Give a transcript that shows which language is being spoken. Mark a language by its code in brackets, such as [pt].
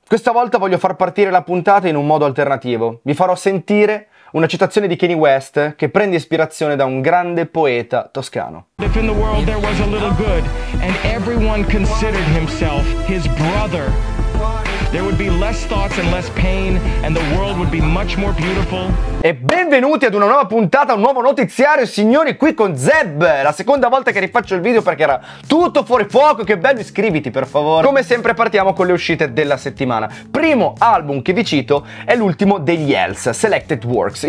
[it] Questa volta voglio far partire la puntata in un modo alternativo. Vi farò sentire una citazione di Kanye West che prende ispirazione da un grande poeta toscano. [en] If in the world there was a little good and everyone considered himself his brother, there would be less thoughts and less pain and the world would be much more beautiful. [it] E benvenuti ad una nuova puntata, un nuovo notiziario, signori, qui con Zeb. La seconda volta che rifaccio il video perché era tutto fuori fuoco. Che bello, iscriviti per favore. Come sempre partiamo con le uscite della settimana. Primo album che vi cito è l'ultimo degli Els, Selected Works.